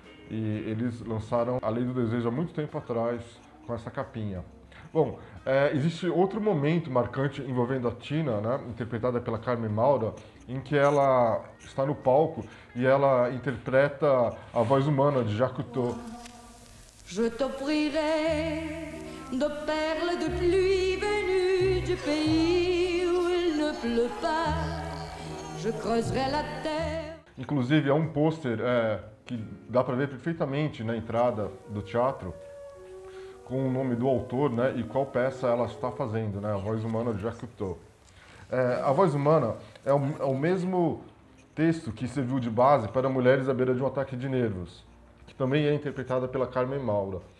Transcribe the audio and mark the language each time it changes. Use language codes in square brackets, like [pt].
[pt] E eles lançaram A Lei do Desejo há muito tempo atrás, com essa capinha. Bom, existe outro momento marcante envolvendo a Tina, né, interpretada pela Carmen Maura, em que ela está no palco e ela interpreta a voz humana de Jacques Cousteau. [fr] Je t'offrirai de perles de pluie venues du pays où il ne pleut pas. Je creuserai la terre. [pt] Inclusive, há um pôster que dá para ver perfeitamente na entrada do teatro com o nome do autor, né, e qual peça ela está fazendo, né, a voz humana de Jacques Cousteau. A voz humana é o mesmo texto que serviu de base para Mulheres à Beira de um Ataque de Nervos, que também é interpretada pela Carmen Maura.